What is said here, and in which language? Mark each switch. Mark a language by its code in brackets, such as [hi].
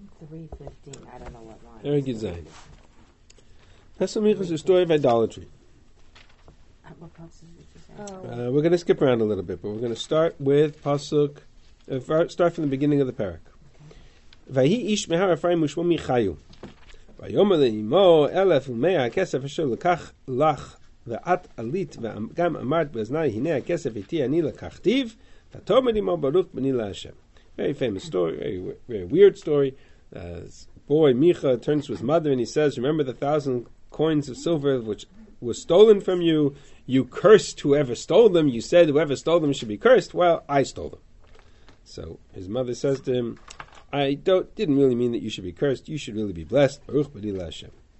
[en] 315, I don't know what line. Eric Yud Zion. Pesel Micha is a story of idolatry. What pasuk did you say? We're going to skip around a little bit, but we're going to start with pasuk, start from the beginning of the parak. [he] Vayhi ish mehar Ephraim ushmo Michayu. ויאמר לאמו אלף ומאה הכסף אשר לקח לך ואת עלית וגם אמרת באזני הנה הכסף איתי אני לקחתי ותאמר אמו ברוך בני להשם. [en] Very famous story, very weird story. Boy Micha turns to his mother and he says, remember the 1,000 coins of silver which was stolen from you? You cursed whoever stole them. You said whoever stole them should be cursed. Well, I stole them. So his mother says to him, didn't really mean that you should be cursed. You should really be blessed. Baruch b'di l'Hashem.